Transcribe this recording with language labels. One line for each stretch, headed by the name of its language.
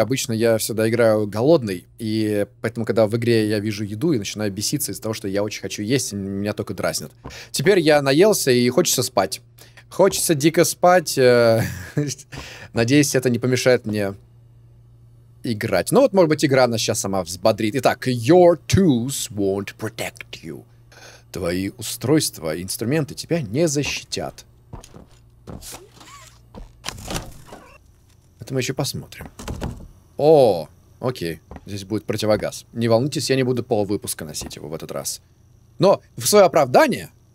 Russian: Обычно я всегда играю голодный, и поэтому, когда в игре я вижу еду, я начинаю беситься из-за того, что я очень хочу есть, и меня только дразнят. Теперь я наелся, и хочется спать. Хочется дико спать. Надеюсь, это не помешает мне играть. Ну вот, может быть, игра нас сейчас сама взбодрит.
English: Итак, your tools won't protect you.
Russian: Твои устройства и инструменты тебя не защитят. Это мы еще посмотрим. О, окей. Здесь будет противогаз. Не волнуйтесь, я не буду полвыпуска носить его в этот раз. Но в свое оправдание...